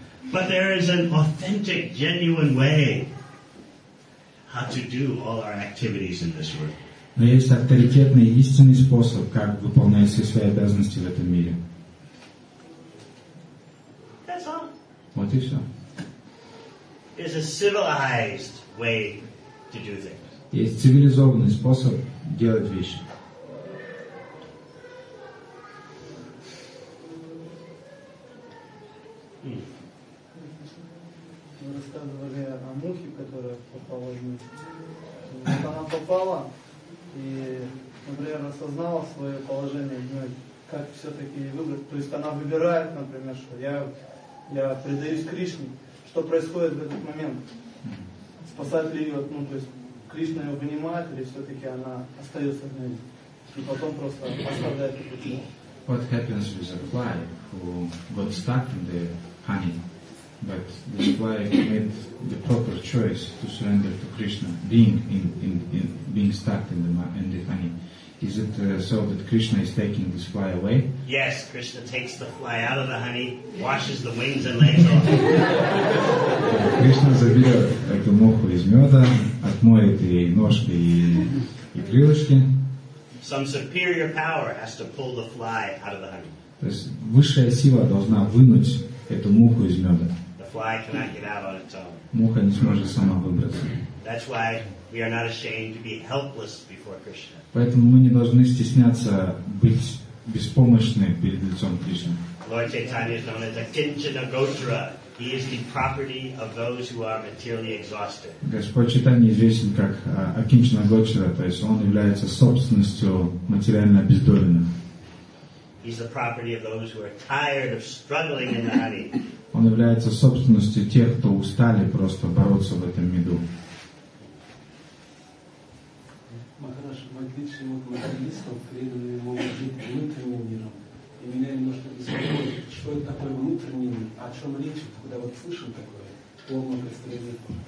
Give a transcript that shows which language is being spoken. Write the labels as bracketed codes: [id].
[en] But there is an authentic, genuine way how to do all our activities in this world. [ru] Но есть авторитетный истинный способ, как выполнять все свои обязанности в этом мире. [en] That's all. [ru] Вот и все. [en] Is a civilized way to do things. [ru] Есть цивилизованный способ делать вещи. Мы рассказывали о мухе, которая попала в мир. Вот она попала и, например, осознала свое положение, ну, как все-таки выбрать. То есть она выбирает, например, что я предаюсь Кришне. Что происходит в этот момент? Спасать ли ее, ну, то есть Кришна ее вынимает, или все-таки она остается в мире? И потом просто оставляет ее. [en] What happens with a fly who got stuck in the honey? But the fly made the proper choice to surrender to Krishna, being in being stuck in the honey. Is it so that Krishna is taking this fly away? Yes, Krishna takes the fly out of the honey, washes the wings and legs off. [ru] Krishna заберет эту муху из меда, отмоет ей ножки и крылышки. [en] Some superior power has to pull the fly out of the honey. [ru] То есть высшая сила должна вынуть эту муху из меда. [en] Fly cannot get out on its own. [ru] Муха не сможет сама выбраться. [en] That's why we are not ashamed to be helpless before Krishna. [ru] Поэтому мы не должны стесняться быть беспомощны перед лицом Кришны. [en] Lord Chaitanya is known as Akinchana Gotra. He is the property of those who are materially exhausted. [ru] Господь Чайтанья известен как Акинчана Гочара, то есть он является собственностью материально обездоленных. [en] He is the property of those who are tired of struggling in the honey. [ru] Он является собственностью тех, кто устали просто бороться в этом меду. Махараш, в отличие от материалистов, преданные могут жить внутренним миром. И меня немножко беспокоит, что это такое внутренний мир, о чем речь, когда вот слышим такое, то он представляет.